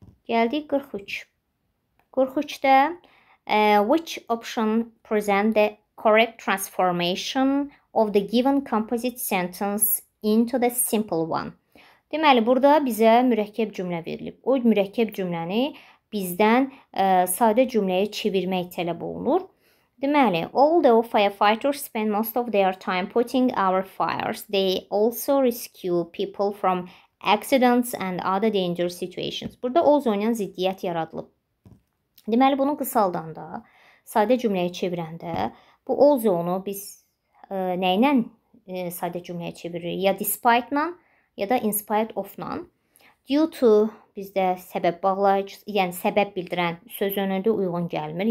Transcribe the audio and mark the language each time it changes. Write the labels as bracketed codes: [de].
[az] Gəldik 43. 43-də [en] which option present the correct transformation of the given composite sentence into the simple one? [az] Deməli, burada bizə mürəkkəb cümlə verilib. O mürəkkəb cümləni bizdən sadə cümləyə çevirmək tələb olunur. [en] Deməli, although firefighters spend most of their time putting out fires, they also rescue people from accidents and other dangerous situations. [az] Burada oz oynayan ziddiyyət yaradılıb. Deməli, bunu qısaldanda, sadə cümləyə çevirəndə, bu oz onu biz nə ilə sadə cümləyə çeviririk? Ya despite-la, ya da in spite of-la. Due to bizdə səbəb bağlayıcı, yəni səbəb bildirən söz önündə uyğun gəlmir.